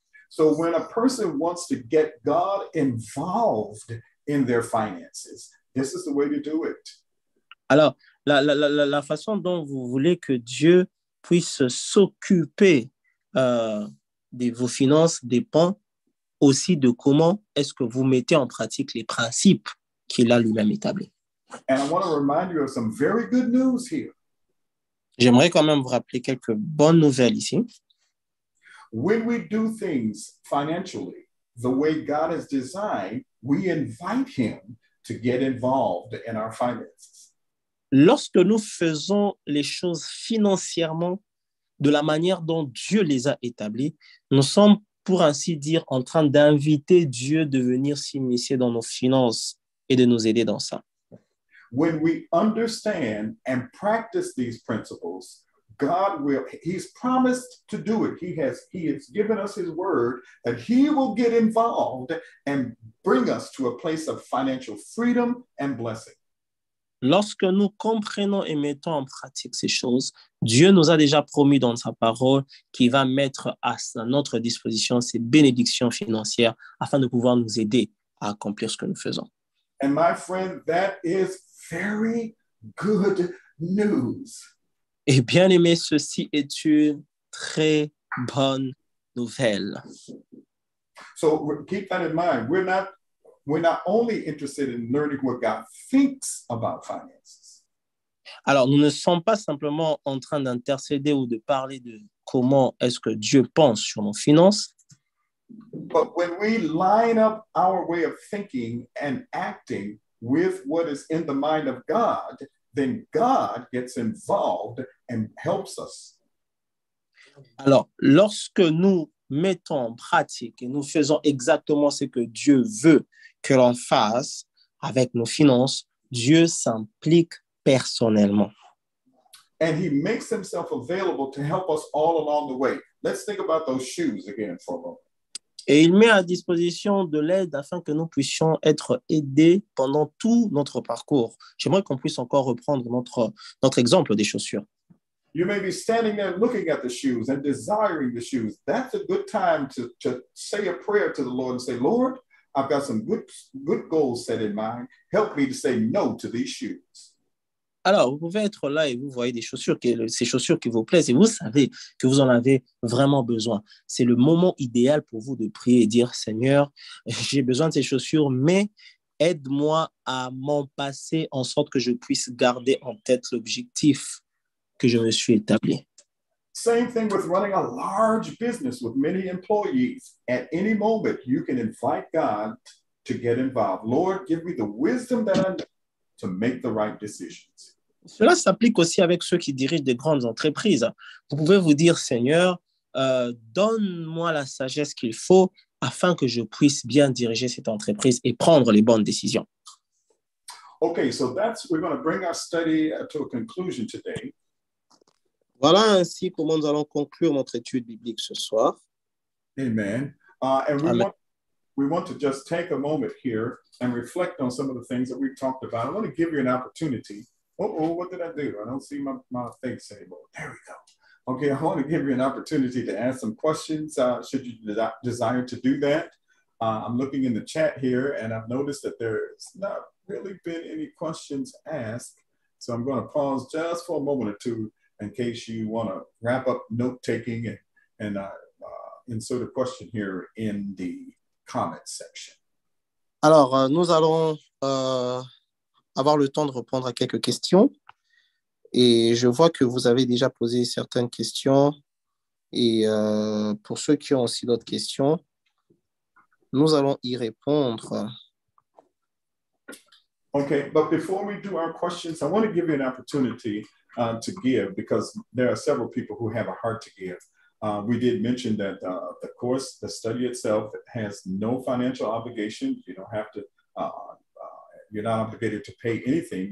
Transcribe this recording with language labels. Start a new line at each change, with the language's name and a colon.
English: So when a person wants to get God involved in their finances, this is the way to do it.
French: Alors, la façon dont vous voulez que Dieu puisse s'occuper de vos finances dépend aussi de comment est-ce que vous mettez en pratique les principes qu'il a lui-même établis.
English: And I want to remind you of some very good news here.
French: J'aimerais quand même vous rappeler quelques bonnes nouvelles ici.
English: When we do things financially the way God has designed, we invite him to get involved in our finances.
French: Lorsque nous faisons les choses financièrement de la manière dont Dieu les a établies, nous sommes, pour ainsi dire, en train d'inviter Dieu de venir s'immiscer dans nos finances et de nous aider dans ça.
English: When we understand and practice these principles, God will, he's promised to do it. He has given us his word that he will get involved and bring us to a place of financial freedom and blessing.
French: Lorsque nous comprenons et mettons en pratique ces choses, Dieu nous a déjà promis dans sa parole qu'il va mettre à notre disposition ses bénédictions financières afin de pouvoir nous aider à accomplir ce que nous faisons.
English: And my friend, that is very good news.
French: Et bien aimé, ceci est une très bonne nouvelle.
English: So keep that in mind. We're not only interested in learning what God thinks about finances.
French: Alors, nous ne sommes pas simplement en train d'intercéder ou de parler de comment est-ce que Dieu pense sur nos finances.
English: But when we line up our way of thinking and acting with what is in the mind of God, then God gets involved and helps us.
French: Alors, lorsque nous mettons en pratique et nous faisons exactement ce que Dieu veut que l'on fasse avec nos finances, Dieu s'implique personnellement.
English: And he makes himself available to help us all along the way. Let's think about those shoes again for a moment.
French: Et il met à disposition de l'aide afin que nous puissions être aidés pendant tout notre parcours. J'aimerais qu'on puisse encore reprendre notre exemple des chaussures.
English: You may be standing there looking at the shoes and desiring the shoes. That's a good time to say a prayer to the Lord and say, Lord, I've got some good goals set in mind. Help me to say no to these shoes.
French: Alors, vous pouvez être là et vous voyez des chaussures, ces chaussures qui vous plaisent et vous savez que vous en avez vraiment besoin. C'est le moment idéal pour vous de prier et dire, Seigneur, j'ai besoin de ces chaussures, mais aide-moi à m'en passer en sorte que je puisse garder en tête l'objectif que je me suis établi.
English: Same thing with running a large business with many employees. At any moment, you can invite God to get involved. Lord, give me the wisdom that I need to make the right decisions.
French: Cela s'applique aussi avec ceux qui dirigent des grandes entreprises. Vous pouvez vous dire, Seigneur, donne-moi la sagesse qu'il faut afin que je puisse bien diriger cette entreprise et prendre les bonnes décisions.
English: Okay, so that's we're going to bring our study to a conclusion today.
French: Voilà ainsi comment nous allons conclure notre étude biblique ce soir.
English: Amen. We want to just take a moment here and reflect on some of the things that we've talked about. I want to give you an opportunity. Oh, what did I do? I don't see my face anymore. There we go. Okay, I want to give you an opportunity to ask some questions, should you desire to do that. I'm looking in the chat here, and I've noticed that there's not really been any questions asked. So I'm going to pause just for a moment or two in case you want to wrap up note-taking and insert a question here in the comment section.
French: Alors, nous allons avoir le temps de répondre à quelques questions. Et je vois que vous avez déjà posé certaines questions. Et pour ceux qui ont aussi d'autres questions, nous allons y répondre.
English: Okay, but before we do our questions, I want to give you an opportunity to give because there are several people who have a heart to give. We did mention that the course, the study itself, has no financial obligation. You don't have to, you're not obligated to pay anything.